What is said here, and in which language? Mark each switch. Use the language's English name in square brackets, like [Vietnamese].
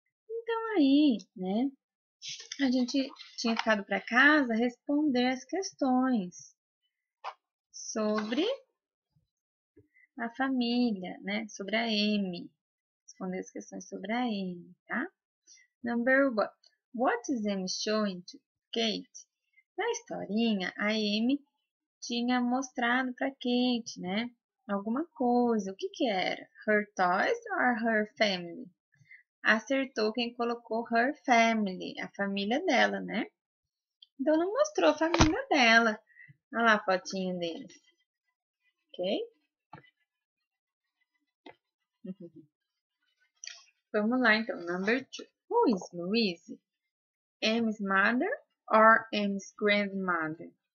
[Portuguese] Então aí, né? A gente tinha ficado para casa responder as questões sobre a família, né? Sobre a Amy. Responder as questões sobre a Amy, tá? [English] Number one. What is Amy showing to Kate? [Portuguese] Na historinha, a Amy tinha mostrado para Kate, né? Alguma coisa. O que que era? [English] Her toys or her family? [Portuguese] Acertou quem colocou [English] her family, [Portuguese] a família dela, né? Então, não mostrou a família dela. Olha lá a fotinho deles. Ok? Vamos lá então, [English] number two. Who is Louise? Amy's mother or Amy's grandmother?